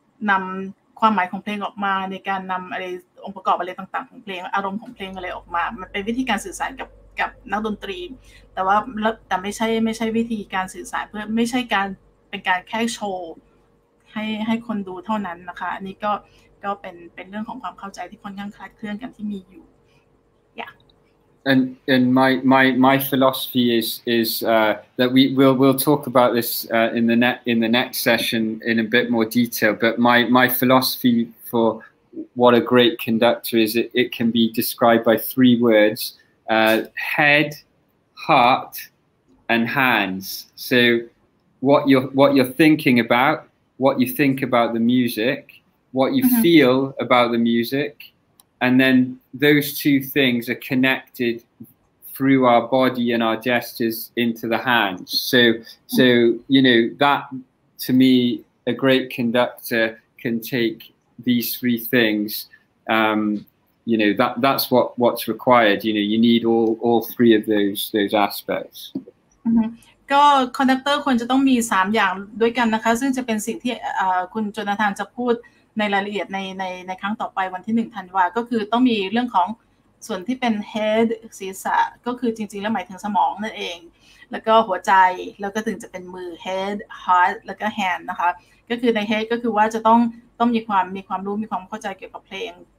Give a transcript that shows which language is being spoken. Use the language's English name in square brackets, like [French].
[Thai] นำความหมายของเพลงออกมาในการนำอะไรองค์ประกอบอะไรต่างๆของเพลงอารมณ์ของเพลงอะไรออกมามันเป็นวิธีการสื่อสารกับนักดนตรีแต่ว่าแต่ไม่ใช่วิธีการสื่อสารเพื่อไม่ใช่การเป็นการแค่โชว์ให้คนดูเท่านั้นนะคะอันนี้ก็เป็นเรื่องของความเข้าใจที่ค่อนข้างคลาดเคลื่อนกันที่มีอยู่ yeah [English] and my philosophy is that we'll talk about this in the next session in a bit more detail, but my philosophy for what a great conductor is, it can be described by three words: head, heart, and hands. So what you're thinking about, what you think about the music, what you mm-hmm. feel about the music, and then those two things are connected through our body and our gestures into the hands. So you know, that to me, a great conductor can take these three things. You know, that's what's required. You know, you need all three of those aspects. [Thai] ก็คอนดักเตอร์ควรจะต้องมี3อย่างด้วยกันนะคะซึ่งจะเป็นสิ่งที่คุณโจนาธานจะพูดในรายละเอียดในครั้งต่อไปวันที่1ธันวาก็คือต้องมีเรื่องของส่วนที่เป็น head ศีรษะก็คือจริงๆแล้วหมายถึงสมองนั่นเองแล้วก็หัวใจแล้วก็ถึงจะเป็นมือ head heart แล้วก็ hand นะคะก็คือใน head ก็คือว่าจะต้องมีความรู้มีความเข้าใจเกี่ยวกับเพลง